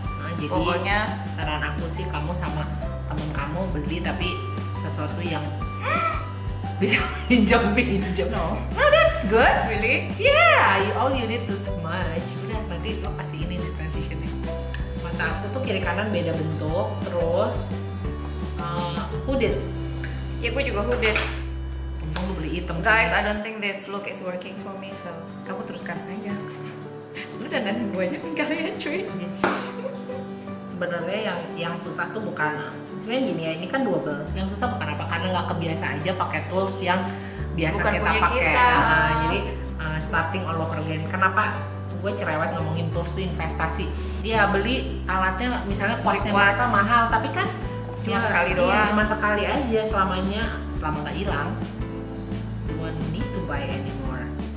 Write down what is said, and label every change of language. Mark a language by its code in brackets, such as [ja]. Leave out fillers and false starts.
[id] Nah, jadi pokoknya saran aku sih kamu sama temen kamu beli, tapi sesuatu yang bisa pinjam. [en] No. No, that's good. Really? Yeah, all you need to smudge. [id] Udah, nanti lo kasih ini di transition. Nah, aku tuh kiri kanan beda bentuk, terus hooded. Ya, aku juga hooded. Untung lu beli hitam. [en] Guys, sih. I don't think this look is working for me, so [id] kamu teruskan aja. Lu dandanin gue aja kali ya, cuy. Sebenarnya yang susah tuh bukan, sebenarnya gini ya, ini kan double. Yang susah bukan apa, karena nggak kebiasa aja pakai tools yang biasa bukan kita pakai. [en] Jadi starting all over again. [id] Kenapa? Gue cerewet ngomongin tools tuh investasi. Iya, beli alatnya misalnya kuasnya mereka mahal, tapi kan cuma sekali doang. Cuma sekali aja selamanya, selama nggak hilang. You won't need to buy anymore.